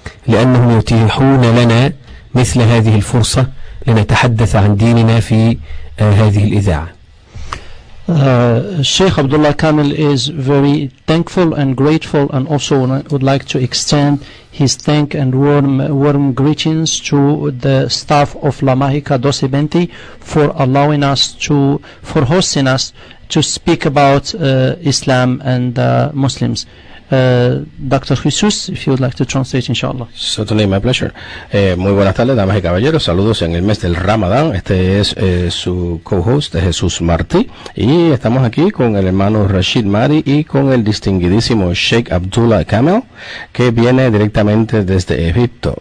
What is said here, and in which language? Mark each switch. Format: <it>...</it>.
<ar>لأنهم يتيحون لنا مثل هذه الفرصة لنتحدث عن ديننا في هذه الإذاعة.</ar> <en>Sheikh Abdullah Kamil is very thankful and grateful, and also would like to extend his thank and warm greetings to the staff of La Magica Docemente for allowing us to, for hosting us to speak about Islam and Muslims. Dr. Jesus, if you would like to translate, inshallah. Certainly, my pleasure.</en> <es>Muy buenas tardes, damas y caballeros. Saludos en el mes del Ramadán. Este es su co-host, Jesús Martí. Y estamos aquí con el hermano Rashid Mari y con el distinguidísimo Sheikh Abdullah Kamil, que viene directamente desde Egipto.</es>